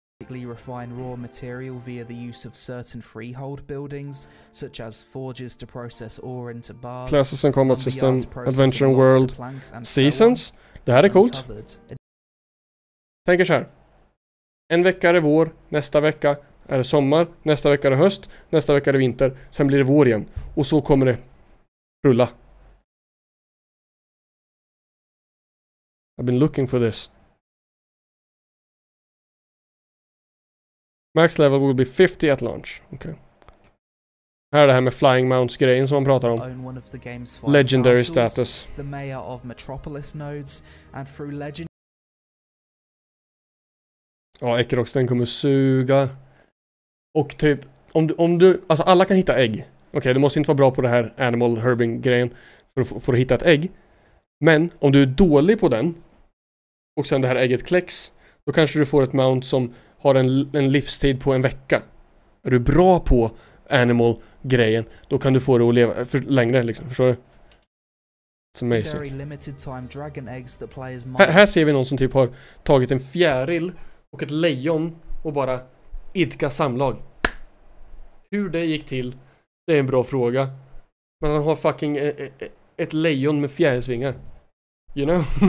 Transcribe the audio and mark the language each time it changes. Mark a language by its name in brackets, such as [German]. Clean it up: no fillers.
[English] Refine raw material via the use of certain freehold buildings, such as forges to process ore into bars. Classes and combat system, adventure and world, seasons. [Swedish] Det här är coolt. Tänk er så här. En vecka är det vår, nästa vecka är det sommar, nästa vecka är det höst, nästa vecka är det vinter, sen blir det vår igen. Och så kommer det rulla. [English] I've been looking for this. Max level will be 50 at launch. Okay. [Swedish] Här är det här med flying mounts grejen som man pratar om. [English] Legendary status. The mayor of Metropolis nodes and through legend. [Swedish] Ja, Ekerox, den kommer suga. Och typ om du alltså alla kan hitta ägg. Okej, du måste inte vara bra på det här animal herbing grejen för att hitta ett ägg. Men om du är dålig på den och sen det här ägget kläcks, då kanske du får ett mount som har en livstid på en vecka. Är du bra på animal grejen, då kan du få det att leva för längre, liksom. Förstår du? [English] It's amazing. Very limited time dragon eggs that players might. [Swedish] Här ser vi någon som typ har tagit en fjäril och ett lejon och bara idka samlag. Hur det gick till, det är en bra fråga. Men han har fucking ett lejon med fjärilsvingar. [English] You know?